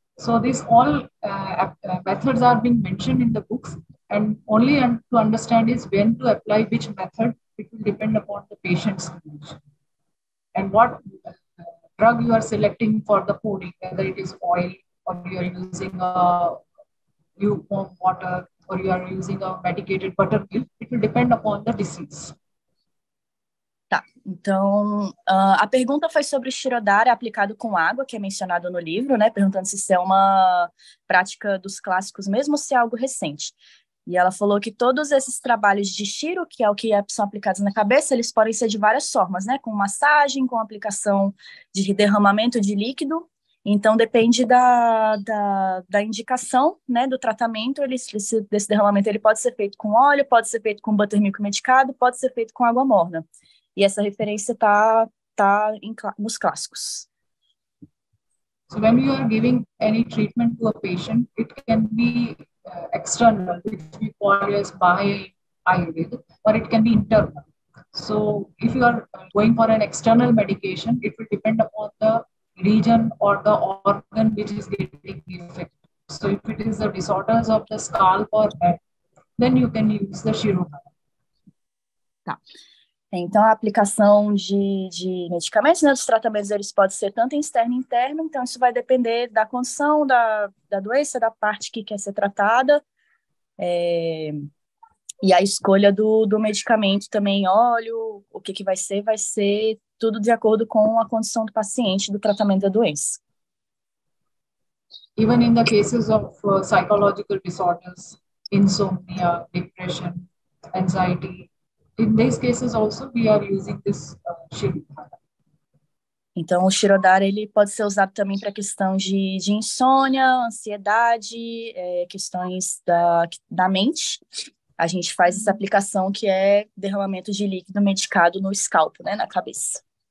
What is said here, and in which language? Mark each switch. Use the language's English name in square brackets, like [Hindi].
[English] So these all methods are being mentioned in the books and only to understand is when to apply which method, it will depend upon the patient's condition. And what drug you are selecting for the pouring, whether it is oil or you are using a lukewarm water or you are using a medicated buttermilk, it will depend upon the disease. [Portuguese] Tá, então, a pergunta foi sobre o Shirodhara aplicado com água, que é mencionado no livro, né, perguntando se isso é uma prática dos clássicos mesmo ou se é algo recente. E ela falou que todos esses trabalhos de Shiro, que é o que são aplicados na cabeça, eles podem ser de várias formas, né, com massagem, com aplicação de derramamento de líquido, Então, depende da indicação, né, do tratamento, desse derramamento, ele pode ser feito com óleo, pode ser feito com buttermilk medicado, pode ser feito com água morna. E essa referência tá nos clássicos. [English] So when you are giving any treatment to a patient, it can be external, which we call as Bahai Ayurveda, or it can be internal. So if you are going for an external medication, it will depend upon the region or the organ which is getting affected. So if it is the disorders of the scalp or head, then you can use the Shirodhara. [Portuguese] Tá. Então, a aplicação de medicamentos, né, dos tratamentos, eles podem ser tanto externo e interno. Então, isso vai depender da condição, da doença, da parte que quer ser tratada. E a escolha do medicamento também, óleo, o que vai ser tudo de acordo com a condição do paciente, do tratamento da doença. [English] Even in the cases of psychological disorders, insomnia, depression, anxiety, in these cases also, we are using this Shirodhara. [Portuguese] Então, o Shirodhara, ele pode ser usado também para questão de insônia, ansiedade, questões da mente. A gente faz essa aplicação que é derramamento de líquido medicado no scalp, né, na cabeça.